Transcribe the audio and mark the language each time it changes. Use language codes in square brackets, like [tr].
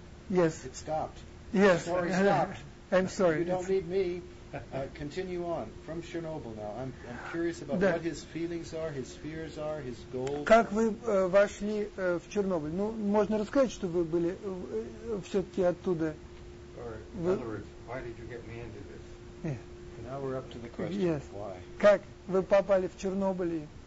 [en] Yes. It stopped. Yes. Sorry, stopped. I'm sorry. You don't need me. Continue on. From Chernobyl now. I'm curious about what his feelings are, his fears are, his goals. [ru] Как вы вошли в Чернобыль? Ну, можно рассказать, что вы были все-таки оттуда. [en] In other words, why did you get me into this? Yeah. Now we're up to the question. Yes. Why? [ru] Как вы попали в Чернобыль?